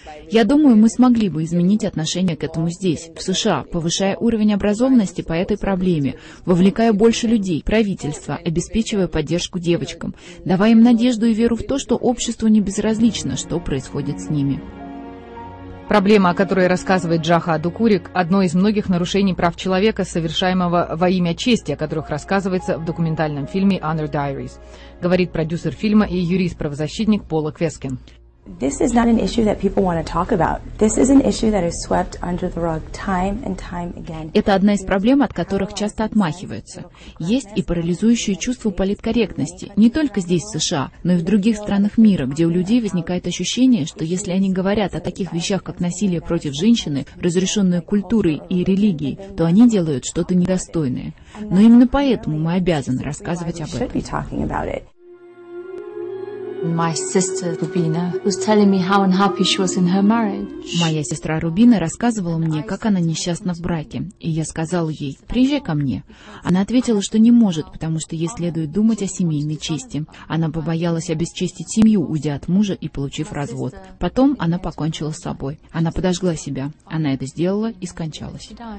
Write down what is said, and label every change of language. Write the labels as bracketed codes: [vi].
[ru] Я думаю, мы смогли бы изменить отношение к этому здесь, в США, повышая уровень образованности по этой проблеме, вовлекая больше людей, правительства, обеспечивая поддержку девочкам, давая им надежду и веру в то, что обществу не безразлично, что происходит с ними. Проблема, о которой рассказывает Джаха Адукурик, одно из многих нарушений прав человека, совершаемого во имя чести, о которых рассказывается в документальном фильме «Honor Diaries», говорит продюсер фильма и юрист-правозащитник Пола Квескин. [en] This is not an issue that people want to talk about. This is an issue that is swept under the rug time and time again. [ru] Это одна из проблем, от которых часто отмахиваются. Есть и парализующее чувство политкорректности, не только здесь, в США, но и в других странах мира, где у людей возникает ощущение, что если они говорят о таких вещах, как насилие против женщины, разрешенное культурой и религией, то они делают что-то недостойное. Но именно поэтому мы обязаны рассказывать об этом. [en] My sister Rubina was telling me how unhappy she was in her marriage. [ru] Моя сестра Рубина рассказывала мне, как она несчастна в браке. И я сказал ей: «Приезжай ко мне». Она ответила, что не может, потому что ей следует думать о семейной чести. Она побоялась обесчестить семью, уйдя от мужа и получив развод. Потом она покончила с собой. Она подожгла себя. Она это сделала и скончалась.